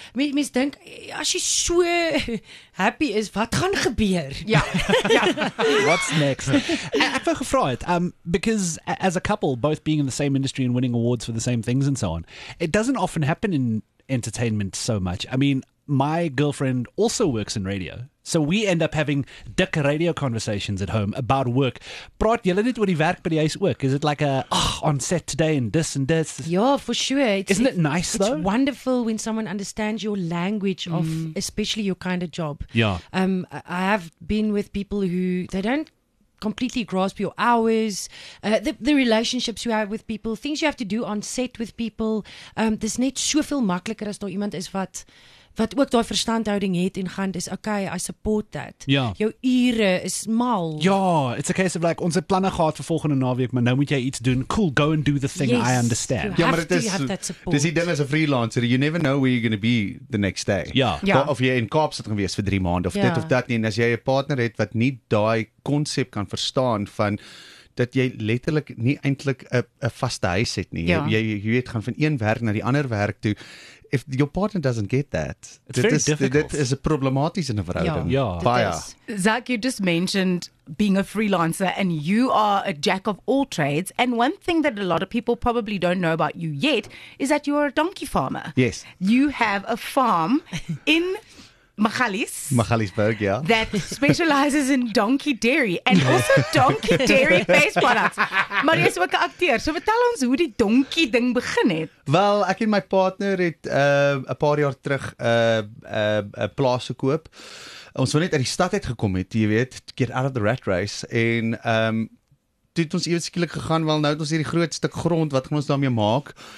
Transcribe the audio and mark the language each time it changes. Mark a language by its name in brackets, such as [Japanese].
[Afrikaans] Mens dink, as jy so happy is, wat gaan gebeur? Ja. [English] What's next? [Afrikaans] Ek wou gevra het, [English] because as a couple, both being in the same industry and winning awards for the same things and so on. It doesn't often happen in entertainment so much. I mean, my girlfriend also works in radio, so we end up having dik radio conversations at home about work. [Afrikaans] Praat julle net oor die werk by die huis ook? [English] Is it like a, on set today and this and this? Yeah, for sure. Isn't it nice though? It's wonderful when someone understands your language of especially your kind of job. Yeah. I have been with people who, they don't completely grasp your hours, the relationships you have with people, things you have to do on set with people. [Afrikaans] Dis net soveel makliker as daar iemand is wat ook daai verstandhouding het en gaan dis okay, [English] I support that. [Afrikaans] Ja. Jou ure is mal. Ja, [English] it's a case of like [Afrikaans] ons het planne gehad vir volgende naweek, maar nou moet jy iets doen. [English] Cool, go and do the thing. Yes, I understand. [Afrikaans] Ja, maar dit is die ding as 'n freelancer, [English] you never know where you're going to be the next day. [Afrikaans] Ja. Of jy in Kaapstad gaan wees vir 3 maande of dit of dat nie, en as jy 'n partner het wat nie daai konsep kan verstaan van dat jy letterlik nie eintlik 'n vaste huis het nie. Ja. Jy weet, gaan van een werk na die ander werk toe. [English] If your partner doesn't get that, that is a problematic in a verhouding. [Afrikaans] Ja. Baie. [English] Zak, you just mentioned being a freelancer and you are a jack of all trades. And one thing that a lot of people probably don't know about you yet is that you are a donkey farmer. Yes. You have a farm in Magaliesberg, yeah. That specializes in donkey dairy and also donkey dairy face products. [Afrikaans] Maar jy's ook 'n akteur. So vertel ons hoe die donkey ding begin het. Wel, ek en my partner het 'n paar jaar terug 'n plaas gekoop. Ons wou net uit die stad uit gekom het, jy weet, [English] get out of the rat race. [Afrikaans] En toe het ons ewe skielik gegaan, wel nou het ons hierdie groot stuk grond, wat gaan ons daarmee maak?